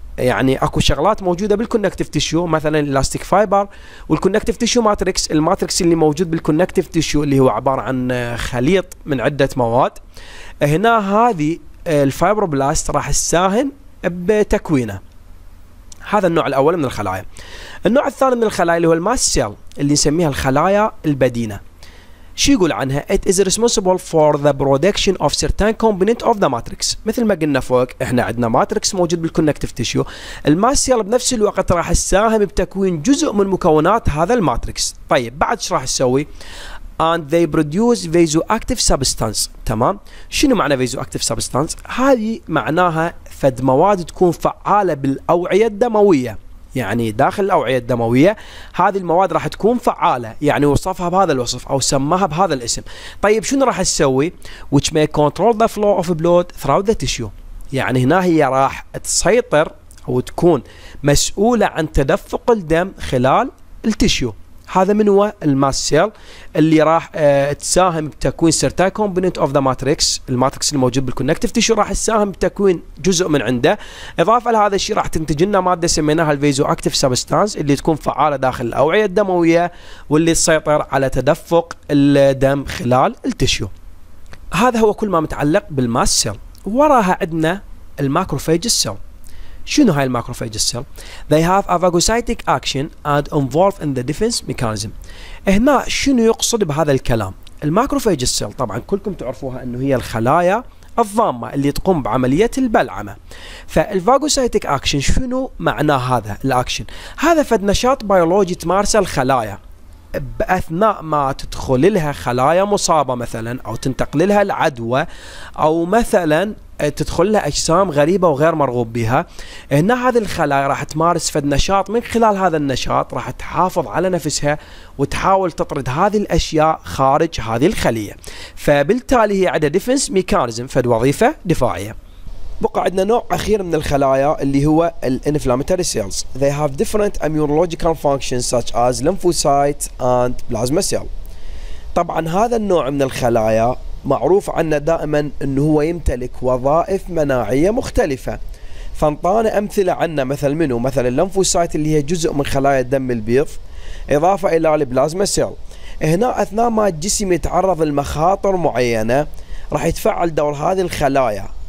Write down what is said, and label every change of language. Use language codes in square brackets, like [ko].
[ar] يعني اكو شغلات موجوده بالكونكتيف تيشو مثلا الالاستيك فايبر والكونكتيف تيشو ماتريكس، الماتريكس اللي موجود بالكونكتيف تيشو اللي هو عباره عن خليط من عده مواد. هنا هذه الفايبروبلاست راح تساهم بتكوينه. هذا النوع الأول من الخلايا. النوع الثاني من الخلايا اللي هو الماست سيل اللي نسميها الخلايا البدينة. شو يقول عنها؟ [en] It is responsible for the production of certain component of the matrix. [ar] مثل ما قلنا فوق احنا عندنا ماتريكس موجود بالكونكتيف تيشيو، الماست سيل بنفس الوقت راح تساهم بتكوين جزء من مكونات هذا الماتريكس. طيب بعد ايش راح تسوي؟ [en] And they produce vasoactive substance. [ar] تمام؟ شنو معنى vasoactive substance؟ هذه معناها فد مواد تكون فعالة بالأوعية الدموية، يعني داخل الأوعية الدموية هذه المواد راح تكون فعالة، يعني وصفها بهذا الوصف أو سماها بهذا الاسم. طيب شنو راح تسوي؟ [en] Which may control the flow of blood throughout the tissue. [ar] يعني هنا هي راح تسيطر أو تكون مسؤولة عن تدفق الدم خلال التيشيو. هذا من هو الماست سيل اللي راح تساهم بتكوين [en] certain component of the matrix، [ar] الماتريكس الموجود بالكونكتيف تيشو راح تساهم بتكوين جزء من عنده. إضافة لهذا الشيء راح تنتج لنا مادة سميناها الفيزو أكتيف سبستانس اللي تكون فعالة داخل الأوعية الدموية واللي تسيطر على تدفق الدم خلال التيشو. هذا هو كل ما متعلق بالماست سيل. وراها عندنا الماكروفاج سيل. شنو هاي الماكروفاج سيل؟ [en] They have a phagocytic action and involved in the defense mechanism. [ar] هنا شنو يقصد بهذا الكلام؟ الماكروفاج سيل طبعا كلكم تعرفوها انه هي الخلايا الضامة اللي تقوم بعملية البلعمة. فالفاجوسايتيك اكشن شنو معنى هذا الاكشن؟ هذا فد نشاط بيولوجي تمارسه الخلايا باثناء ما تدخل لها خلايا مصابة مثلا او تنتقل لها العدوى او مثلا تدخل لها أجسام غريبة وغير مرغوب بها. هنا هذه الخلايا راح تمارس فد نشاط، من خلال هذا النشاط راح تحافظ على نفسها وتحاول تطرد هذه الأشياء خارج هذه الخلية. فبالتالي هي عندها ديفنس ميكانيزم، فد وظيفة دفاعية. بقى عندنا نوع أخير من الخلايا اللي هو الانفلاماتوري سيلز. [en] They have different immunological functions such as lymphocytes and plasma cells. [ar] طبعا هذا النوع من الخلايا معروف عنه دائما انه هو يمتلك وظائف مناعية مختلفة. فانطانا امثلة عنه مثل منه، مثل اللمفوسايت اللي هي جزء من خلايا الدم البيض اضافة الى البلازما سيل. هنا اثناء ما الجسم يتعرض لمخاطر معينة راح يتفعل دور هذه الخلايا.